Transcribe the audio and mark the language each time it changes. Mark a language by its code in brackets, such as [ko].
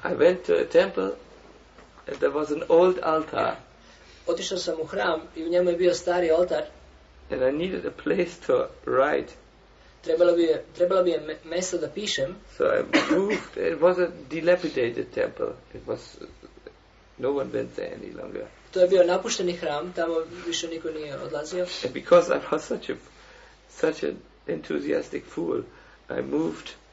[en] I went to a temple and there was an old altar. [hr] Otišao sam u hram i u njemu je bio stari oltar. [en] And I needed a place to write. [hr] Trebalo bi je mesto da pišem. [en] So I moved. It was a dilapidated temple. It was no one went there any longer. [hr] To je bio napušteni hram, tamo više niko nije odlazio. [en] And because I was such an enthusiastic fool, I moved.